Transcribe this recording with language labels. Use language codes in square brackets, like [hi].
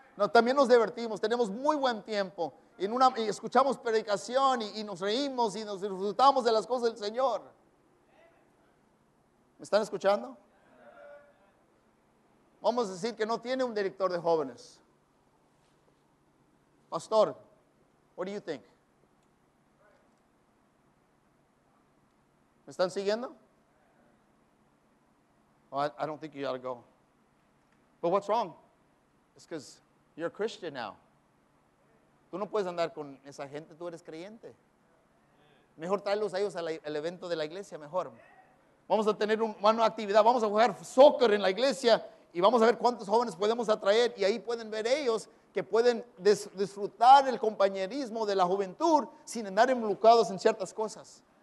[es] No, también nos divertimos, tenemos muy buen tiempo en una, y escuchamos predicación y nos reímos y nos disfrutamos de las cosas del Señor. ¿Me están escuchando? Vamos a decir que no tiene un director de jóvenes. [en] Pastor, what do you think? [es] ¿Me están siguiendo? [en] I don't think you ought to go. But what's wrong? It's because you're a Christian now. [es] Tú no puedes andar con esa gente, tú eres creyente. Mejor tráelos a ellos al evento de la iglesia, mejor. Vamos a tener una nueva actividad, vamos a jugar soccer en la iglesia y vamos a ver cuántos jóvenes podemos atraer y ahí pueden ver ellos que pueden disfrutar el compañerismo de la juventud sin andar involucrados en ciertas cosas.